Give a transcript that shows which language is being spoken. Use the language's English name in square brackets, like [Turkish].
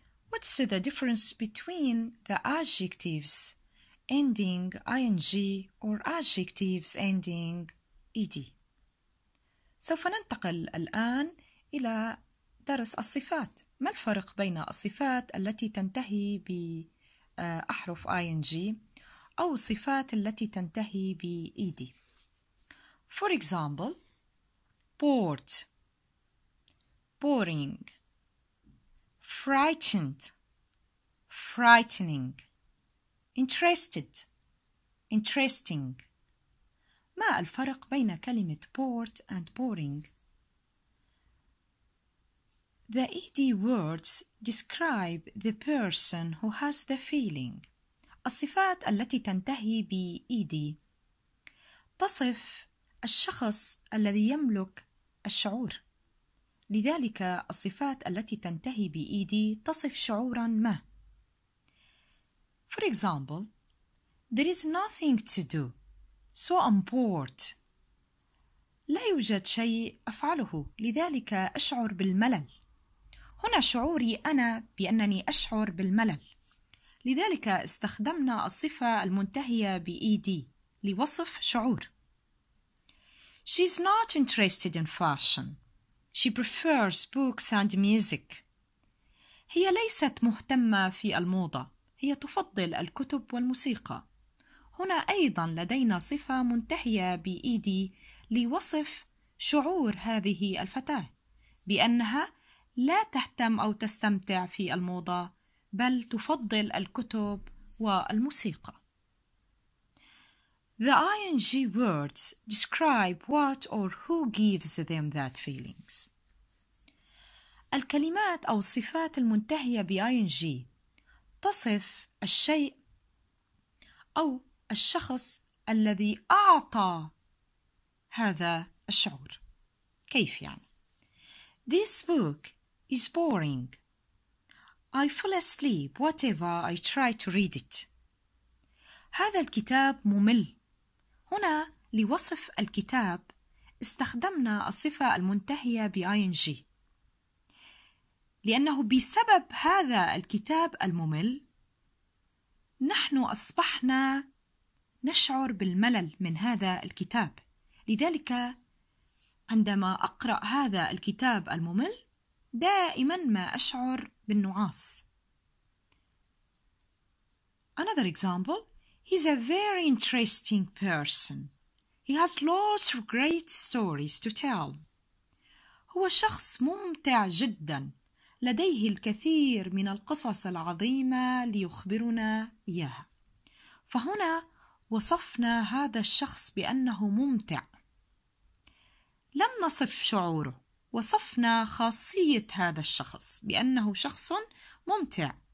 [English] What's the difference between the adjectives ending ing or adjectives ending ed? [Arabic] سوف ننتقل الآن إلى درس الصفات. ما الفرق بين الصفات التي تنتهي بأحرف ing أو الصفات التي تنتهي بed؟ [English] For example, bored, boring, frightened, frightening, interested, interesting. [Arabic] ما الفرق بين كلمة [English] bored and boring؟ The ed words describe the person who has the feeling. [Arabic] الصفات التي تنتهي بed تصف الشخص الذي يملك الشعور. لذلك الصفات التي تنتهي بed تصف شعورا ما. [English] For example, there is nothing to do, so I'm bored. [Arabic] لا يوجد شيء أفعله، لذلك أشعر بالملل. هنا شعوري أنا بأنني أشعر بالملل. لذلك استخدمنا الصفة المنتهية بed لوصف شعور. [English] She's not interested in fashion. She prefers books and music. [Arabic] هي ليست مهتمة في الموضة. هي تفضل الكتب والموسيقى. هنا أيضا لدينا صفة منتهية بed لوصف شعور هذه الفتاة بأنها لا تهتم أو تستمتع في الموضة بل تفضل الكتب والموسيقى. [English] The ing words describe what or who gives them that feelings. [Arabic] الكلمات أو الصفات المنتهية بing تصف الشيء أو الشخص الذي أعطى هذا الشعور. كيف يعني؟ [English] This book is boring. I fall asleep whatever I try to read it. [Arabic] هذا الكتاب ممل. هنا لوصف الكتاب استخدمنا الصفة المنتهية بing لأنه بسبب هذا الكتاب الممل نحن أصبحنا نشعر بالملل من هذا الكتاب. لذلك عندما أقرأ هذا الكتاب الممل دائما ما أشعر بالنعاس. [English] Another example. He's a very interesting person. He has lots of great stories to tell. [Arabic] هو شخص ممتع جدا. لديه الكثير من القصص العظيمة ليخبرنا إياها. فهنا وصفنا هذا الشخص بأنه ممتع. لم نصف شعوره. وصفنا خاصية هذا الشخص بأنه شخص ممتع.